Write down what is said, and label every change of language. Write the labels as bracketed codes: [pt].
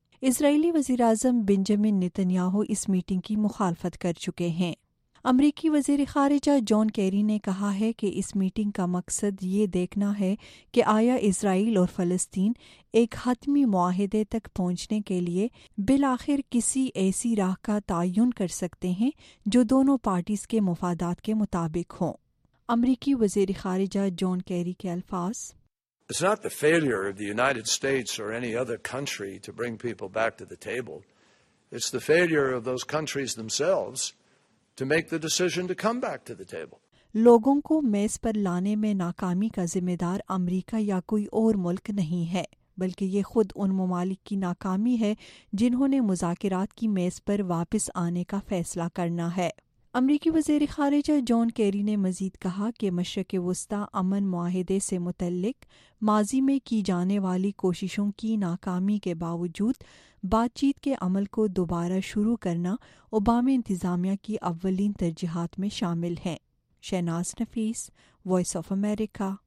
[ur] اسرائیلی وزیراعظم Benjamin Nitin Yahoo اس meeting کی مخالفت کر چکے ہیں۔ امریکی وزیر خارجہ جان کیری نے کہا ہے کہ اس میٹنگ کا مقصد یہ دیکھنا ہے کہ آیا اسرائیل اور فلسطین ایک حتمی معاہدے تک پہنچنے کے لیے بالآخر کسی ایسی راہ کا تعین کر سکتے ہیں جو دونوں پارٹیز کے مفادات کے مطابق ہوں۔ امریکی وزیر خارجہ جان کیری کے الفاظ، [en] It's not the failure of the United States or any other country to bring people back to the table. It's the failure of those countries themselves to make the decision to come back to the table. [ur] لوگوں کو میز پر لانے میں ناکامی کا ذمہ دار امریکہ یا کوئی اور ملک نہیں ہے، بلکہ یہ خود ان ممالک کی ناکامی ہے جنہوں نے مذاکرات کی میز پر واپس آنے کا فیصلہ کرنا ہے۔ امریکی وزیر خارجہ جان کیری نے مزید کہا کہ مشرق وسطی امن معاہدے سے متعلق ماضی میں کی جانے والی کوششوں کی ناکامی کے باوجود بات چیت کے عمل کو دوبارہ شروع کرنا اوباما انتظامیہ کی اولین ترجیحات میں شامل ہیں۔ شہناز نفیس، وائس آف امریکہ،